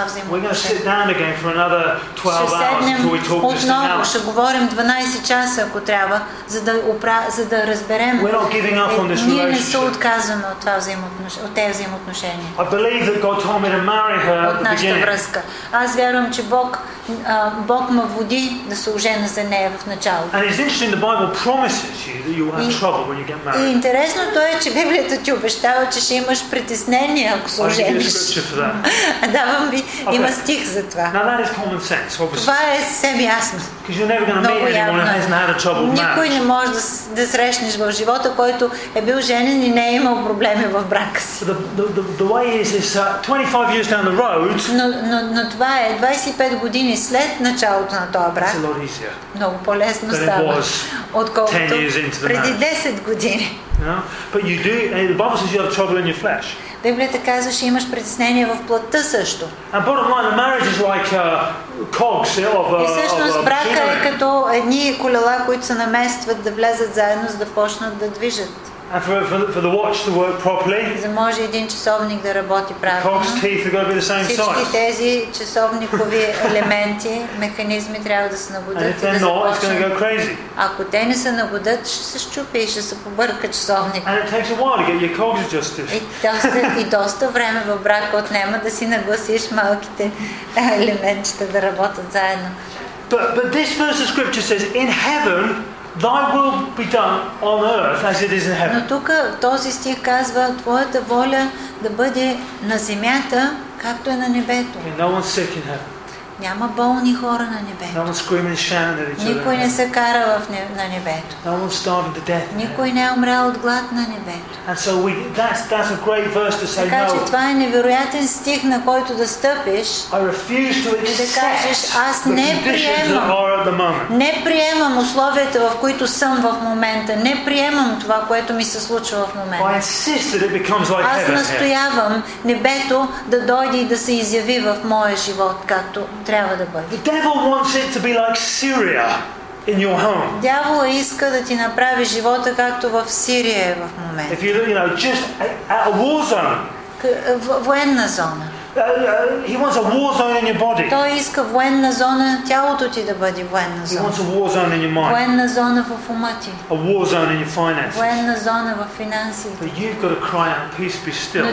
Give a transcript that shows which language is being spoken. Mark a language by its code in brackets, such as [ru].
[en] We're going to sit down again for another 12 hours before we talk this thing out. [bg] Ще говорим 12 часа, ако трябва, за да разберем. [en] We're not giving up on this relationship. [bg] Ние не се отказваме от това взаимоотношение. [en] I believe that God told me to marry her at the beginning. [bg] Аз вярвам, че Бог ме води да се ожена за нея в началото. [en] And it's interesting, the Bible promises you that you'll have trouble when you get married. [bg] Интересното е, че Библията ти обещава, че ще имаш притеснения, ако се ожениш. Давам ви, има стих за това. [en] Now that is common sense, obviously. [bg] Това е съвсем ясно. [en] Because you're never going to meet anyone who hasn't had a trouble marriage. [bg] Никой не може да срещнеш в живота, който е бил женен и не е имал проблеми в брака си. [en] The way is this, 25 years down the road. [bg] Но това е 25 години след началото на този брак. Много по-лесно става, отколкото преди 10 години. [en] But you do, and the Bible says you have trouble in your flesh. [bg] Библията казва, че имаш притеснение в плътта също. [en] And bottom line, the marriage is like cogs of a machine. [bg] И всъщност брака е като едни колела, които се наместват да влязат заедно, за да почнат да движат. [en] And for the watch to work properly. [bg] За може един часовник да работи правилно. [en] Cogs teeth are going to be the same size. [bg] Всички тези часовникови елементи, механизми трябва да се нагодят. [en] And if they're not, it's going to go crazy. [bg] Ако те не се нагодят, ще се счупи и ще се побърка часовник. [en] And it takes a while to get your cogs adjusted. [bg] И доста време в брак отнема да си нагласиш малките елементчета да работят заедно. [en] But this verse of scripture says, in heaven. Thy will be done on earth as it is in heaven. [bg] Но тук този стих казва, твоята воля да бъде на земята, както е на небето. [en] No one's sick in heaven. [bg] Няма болни хора на небето. [en] No one's screaming and shouting at each other. [bg] Никой не се кара на небето. [en] No one's starving to death. [bg] Никой не е умрял от глад на небето. [en] And so that's a great verse to say no. [bg] Така че това е невероятен стих, на който да стъпиш. [en] I refuse to accept. [bg] И да кажеш, аз не приемам. Не приемам условията, в които съм в момента. Не приемам това, което ми се случва в момента. [en] I insist that it becomes like heaven. [bg] Аз настоявам небето да дойде и да се изяви в моя живот, както трябва да бъде. [en] The devil wants it to be like Syria in your home. [bg] Дявола иска да ти направи живота както в Сирия в момента. [en] If you look, you know, just at a war zone. [bg] Военна зона. [en] He wants a war zone in your body. [bg] Той иска военна зона, тялото ти да бъде военна зона. [en] He wants a war zone in your mind. [bg] Военна зона в ума ти. [en] A war zone in your finances. [bg] Военна зона в финансите. [en] But you've got to cry out, peace be still.